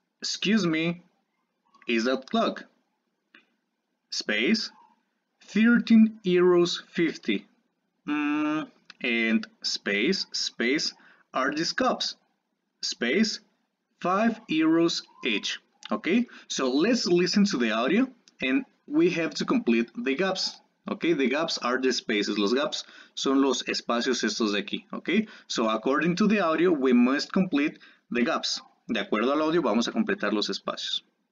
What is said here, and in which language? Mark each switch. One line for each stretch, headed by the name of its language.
English: Excuse me, is that clock? Space, €13.50. And space, are these cups? Space, €5 each. Okay, so let's listen to the audio and we have to complete the gaps. Okay, the gaps are the spaces.
Spanish: Los gaps son los espacios estos de aquí.
English: Okay, so according to the audio, we must complete the gaps.
Spanish: De acuerdo al audio, vamos a completar los espacios.